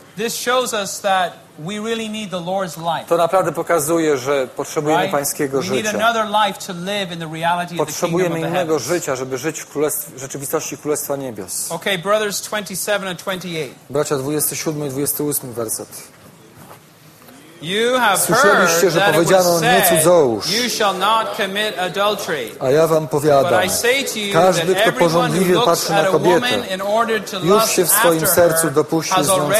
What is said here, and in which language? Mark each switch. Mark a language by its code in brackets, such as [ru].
[en] shows us that we really need the Lord's life. [pl] To naprawdę pokazuje, że potrzebujemy pańskiego [en] we [pl] życia. [en] We need another life to live in the reality of the kingdom of heaven. [pl] Potrzebujemy innego życia, żeby żyć w rzeczywistości królestwa niebios. [en] Okay, brothers 27 and 28. [pl] Bracia 27 i 28 werset. [en] You have [pl] słyszeliście, [en] heard [pl] że powiedziano nie cudzołóż. [en] You shall not commit adultery. [pl] A ja wam powiadam, każdy, kto pożądliwie patrzy na kobietę, już się w swoim sercu dopuści z nią